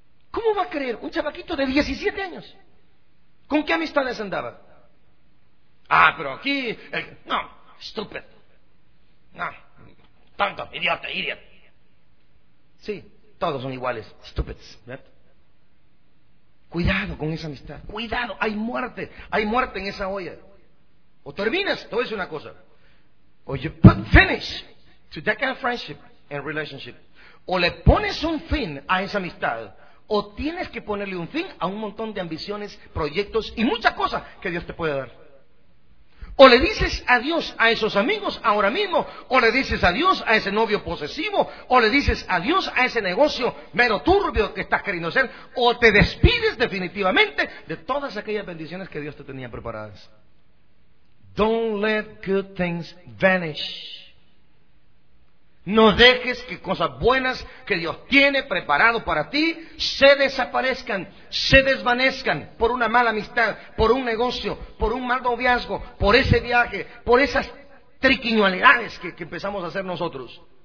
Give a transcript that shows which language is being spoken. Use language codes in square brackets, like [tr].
[es] ¿Cómo va a creer un chamaquito de 17 años? ¿Con qué amistades andaba? Ah, pero aquí... No, estúpido. No, tonto, idiota, idiota. Sí, todos son iguales, estúpidos. Cuidado con esa amistad. Cuidado, hay muerte en esa olla. O terminas, te voy a decir una cosa. [en] O you put finish to that kind of friendship and relationship. [es] O le pones un fin a esa amistad, o tienes que ponerle un fin a un montón de ambiciones, proyectos y muchas cosas que Dios te puede dar. O le dices adiós a esos amigos ahora mismo, o le dices adiós a ese novio posesivo, o le dices adiós a ese negocio mero turbio que estás queriendo hacer, o te despides definitivamente de todas aquellas bendiciones que Dios te tenía preparadas. [en] Don't let good things vanish. [es] No dejes que cosas buenas que Dios tiene preparado para ti se desaparezcan, se desvanezcan por una mala amistad, por un negocio, por un mal noviazgo, por ese viaje, por esas triquiñualidades que empezamos a hacer nosotros.